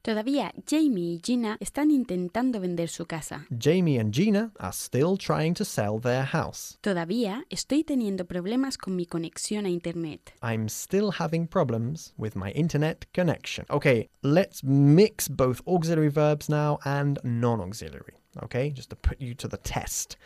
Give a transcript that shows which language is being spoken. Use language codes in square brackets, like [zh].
[es] Todavía Jamie y Gina están intentando vender su casa. [en] Jamie and Gina are still trying to sell their house. [es] Todavía estoy teniendo problemas con mi conexión a internet. [en] I'm still having problems with my internet connection. Okay, let's mix both auxiliary verbs now and non-auxiliary. Okay, just to put you to the test.